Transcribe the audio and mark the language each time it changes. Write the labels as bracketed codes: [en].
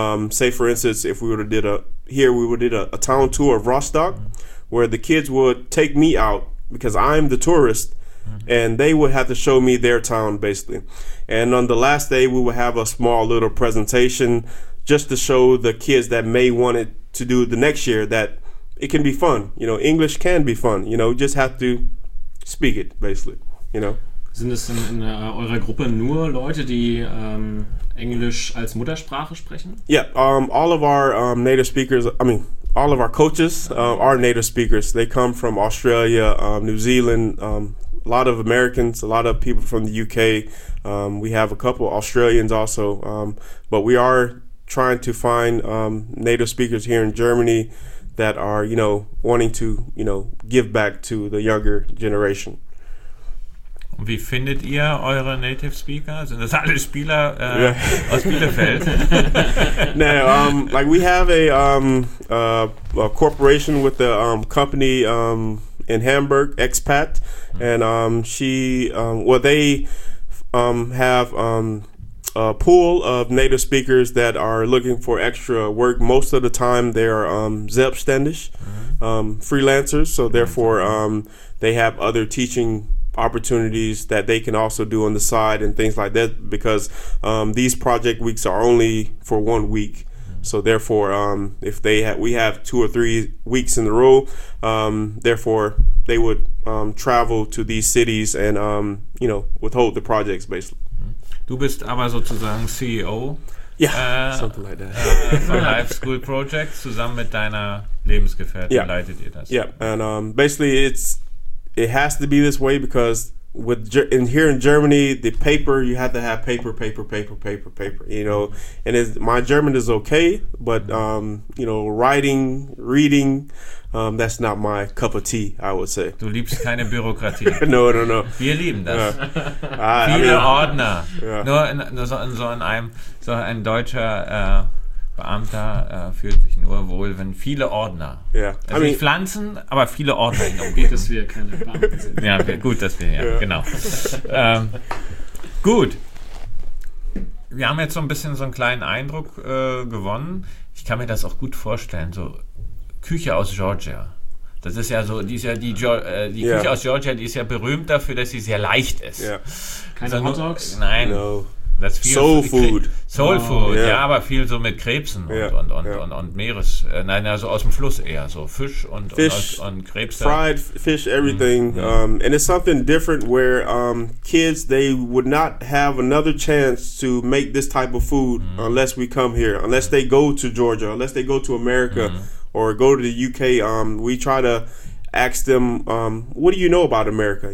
[en] Say for instance, if we would have did a town tour of Rostock, where the kids would take me out because I'm the tourist, and they would have to show me their town basically. And on the last day, we would have a small little presentation just to show the kids that may want it to do the next year that it can be fun. You know, English can be fun. You know, just have to speak it, basically, you know. [de] Sind es in eurer Gruppe nur Leute, die Englisch als Muttersprache sprechen? [en] Yeah, all of our native speakers, I mean, all of our coaches are native speakers. They come from Australia, New Zealand, a lot of Americans, a lot of people from the UK. We have a couple Australians also, but we are trying to find native speakers here in Germany that are, you know, wanting to, you know, give back to the younger generation. [de] Und wie findet ihr eure native speaker? Sind das alle Spieler aus Bielefeld? [en] No, like we have a corporation with the company in Hamburg, Expat, and they have a pool of native speakers that are looking for extra work. Most of the time they are selbstständig, freelancers, so therefore they have other teaching opportunities that they can also do on the side and things like that, because these project weeks are only for 1 week. So therefore, if they we have 2 or 3 weeks in a row, therefore they would travel to these cities and, you know, withhold the projects basically. [de] Du bist aber sozusagen CEO von Live School Projects zusammen mit deiner Lebensgefährtin leitet ihr das. [en] Yeah, and basically it has to be this way because here in Germany, the paper, you have to have paper, you know. And my German is okay, but, you know, writing, reading, that's not my cup of tea, I would say. [de] Du liebst keine Bürokratie. [en] No. [de] Wir lieben das. Ordner. Yeah. Nur ein deutscher Beamter fühlt sich nur wohl, wenn viele Ordner. [en] Yeah. [de] Also nicht Pflanzen, aber viele Ordner. Darum geht es, dass wir keine Beamten sind. Ja, gut, dass wir, genau. Gut. Wir haben jetzt so ein bisschen so einen kleinen Eindruck gewonnen. Ich kann mir das auch gut vorstellen. So Küche aus Georgia. Das ist ja so, die ist ja die, die Küche aus Georgia, die ist ja berühmt dafür, dass sie sehr leicht ist. Keine Hot Dogs? Nein. No. Das viel Soul Food. Soul Food, ja, aber viel so mit Krebsen und Meeres. Nein, also aus dem Fluss eher. So Fisch und, [en] Fish, [de] und Krebs. [en] Fried fish, everything. Mm-hmm. And it's something different where kids, they would not have another chance to make this type of food unless we come here, unless they go to Georgia, unless they go to America or go to the UK. We try to ask them, what do you know about America?